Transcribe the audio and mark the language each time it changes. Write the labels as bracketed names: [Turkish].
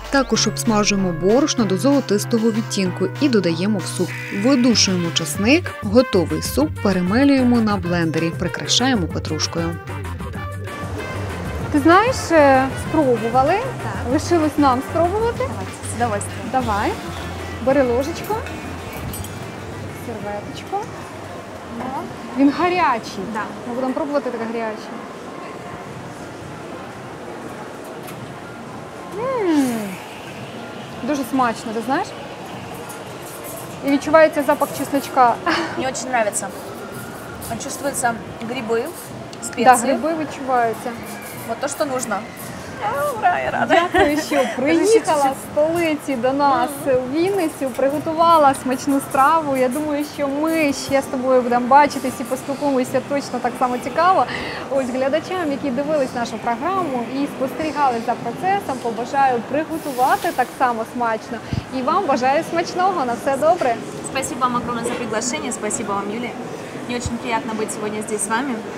[Ukrainian] Також обсмажуємо борошно до золотистого відтінку і додаємо в суп. Видушуємо часник, готовий суп перемелюємо на блендері, прикрашаємо петрушкою. Ти знаєш, спробували, так. Лишилось нам спробувати. Давай. Давай, бери ложечко, серветочку. Він гарячий. Да. Ми будемо пробувати таке гаряче. Дуже смачно, ти знаєш? І відчувається запах чесночка. Мені дуже подобається. [Russian] Чувствуються [Ukrainian] гриби, спеції. Так, да, гриби відчуваються. Ось те, що потрібно. Ура, я рада. Дякую, що приїхала з столиці до нас у Вінницю, приготувала смачну страву. Я думаю, що ми ще з тобою будемо бачитись і поспілкуємося точно так само цікаво. Ось глядачам, які дивились нашу програму і спостерігали за процесом, побажаю приготувати так само смачно. І вам бажаю смачного, на все добре. [Russian] Спасибо вам огромное за приглашение, спасибо вам, Юлія. [Ukrainian] Мені дуже приємно бути сьогодні здесь з вами.